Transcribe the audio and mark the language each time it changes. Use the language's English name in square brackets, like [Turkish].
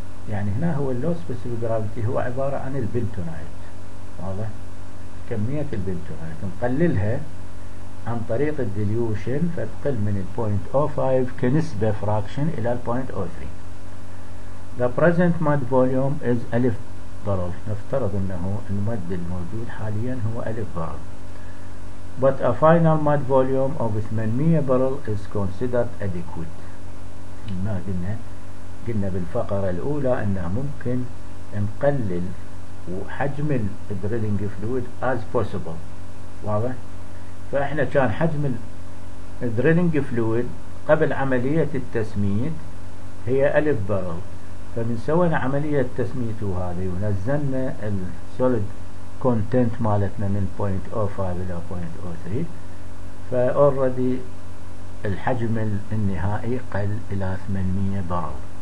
[Arabic] يعني هنا هو [English] low specific gravity [Arabic] هو عبارة عن البنتونايت، واضح، كمية البنتونايت نقللها عن طريق الديليوشن، فتقل من 0.05 كنسبة فراكشن الى 0.03. [English] the present mud volume is [Arabic] 1000 برل، نفترض انه المد الموجود حاليا هو 1000 برل. [English] But a final mud volume of 800 barrel is considered adequate. [Arabic] ما قلنا بالفقرة الأولى انه ممكن نقلل حجم الدريلينج فلويد [English] as possible، [Arabic] واضح؟ فاحنا كان حجم الدريلينج فلويد قبل عملية التسميد هي 1000 برل، فمن سوينا عملية تسميته هذه ونزلنا السوليد كونتنت مالتنا من 0.05 إلى 0.03، فأوردي الحجم النهائي قل إلى 800 برل.